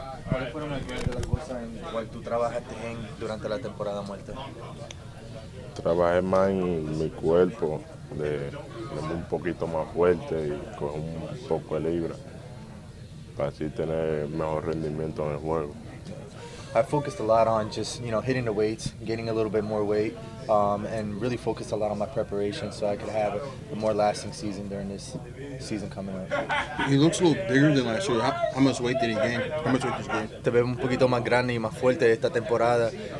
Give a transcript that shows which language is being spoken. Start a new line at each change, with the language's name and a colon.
Spanish: ¿Cuáles fueron algunas de las cosas en las cuales tú trabajaste durante la temporada muerta? Trabajé más en mi cuerpo, de un poquito más fuerte y con un poco de libra. Así tener mejor rendimiento en el juego.
English: I focused a lot on just, you know, hitting the weights, getting a little bit more weight, and really focused a lot on my preparation so I could have a more lasting season during this season coming up. He looks a little bigger than last year. How much weight did he gain? How much weight did he gain?
Spanish: Te veo un poquito más grande y más fuerte esta temporada.